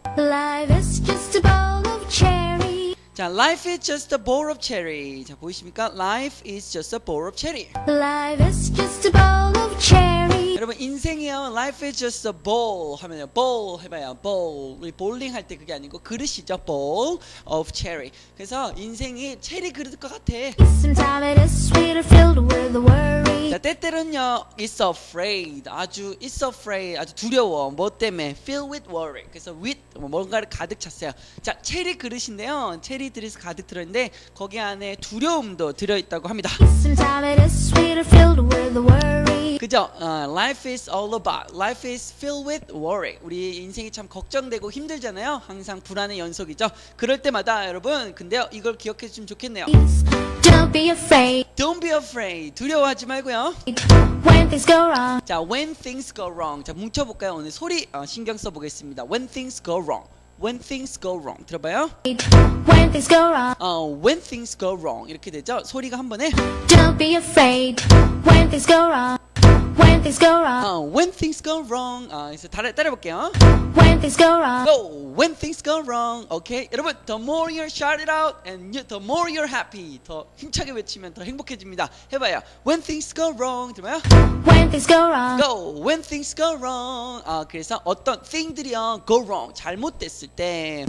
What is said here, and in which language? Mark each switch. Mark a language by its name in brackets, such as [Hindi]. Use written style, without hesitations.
[English] Life is just a bowl of cherry. 자, life is just a bowl of cherry. [Korean] 자, 보이십니까? [English] Life is just a bowl of cherry. Life is just a bowl of cherry. [Korean] 여러분 인생이요, [English] life is just a bowl [Korean] 하면요, [English] bowl [Korean] 해봐요, [English] bowl. [Korean] 우리 볼링 할 때 그게 아니고 그릇이죠, [English] bowl of cherry. [Korean] 그래서 인생이 체리 그릇 것 같아. [English] Sometimes it is sweet filled with worry. 자, [Korean] 때때로는요, [English] it's afraid. [Korean] 아주 [English] it's afraid. [Korean] 아주 두려워. 뭐 때문에? [English] Filled with worry. [Korean] 그래서 with 뭔가를 가득 찼어요. 자, 체리 그릇인데요, 체리 그릇 가득 들어있는데 거기 안에 두려움도 들어있다고 합니다. [English] Sometimes it is sweet filled with worry. 그죠? Life is all about. Life is filled with worry. [Korean] 우리 인생이 참 걱정되고 힘들잖아요. 항상 불안의 연속이죠. 그럴 때마다 여러분, 근데요 이걸 기억해 주면 좋겠네요. [English] Don't be afraid. Don't be afraid. [Korean] 두려워하지 말고요. [English] When things go wrong. 자, when things go wrong. 자, [Korean] 뭉쳐 볼까요? 오늘 소리 신경 써 보겠습니다. [English] When things go wrong. When things go wrong. [Korean] 들어봐요. [English] When things go wrong. When things go wrong. [Korean] 이렇게 되죠. 소리가 한 번에. [English] Don't be afraid. When things go wrong. When things go wrong. When things go wrong. [Korean] 이제 따라해볼게요. [English] When things go wrong. Go. When things go wrong. Okay. 여러분, the more you shout it out and the more you're happy. [Korean] 더 힘차게 외치면 더 행복해집니다. 해봐요. [English] When things go wrong. [Korean] 들어봐요. [English] When things go wrong. Go. When things go wrong. [Korean] 그래서 어떤 thing들이요 [English] go wrong [Korean] 잘못됐을 때.